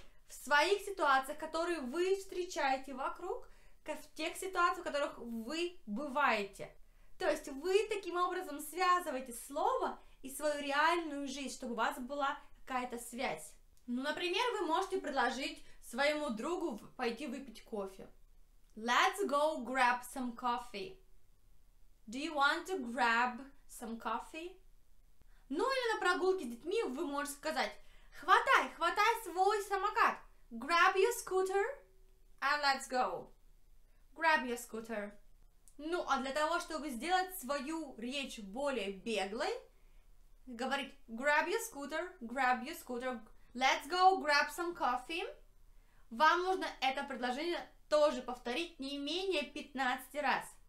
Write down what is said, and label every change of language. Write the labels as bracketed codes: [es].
[ru] В своих ситуациях, которые вы встречаете вокруг, в тех ситуациях, в которых вы бываете. То есть вы таким образом связываете слово и свою реальную жизнь, чтобы у вас была какая-то связь. Ну, например, вы можете предложить своему другу пойти выпить кофе. [en] Let's go grab some coffee. Do you want to grab some coffee? [ru] Ну, или на прогулке с детьми вы можете сказать «Хватай свой самокат!» [en] Grab your scooter and let's go. Grab your scooter. [ru] Ну, а для того, чтобы сделать свою речь более беглой, говорить [en] grab your scooter, let's go grab some coffee, [ru] вам нужно это предложение тоже повторить не менее 15 раз.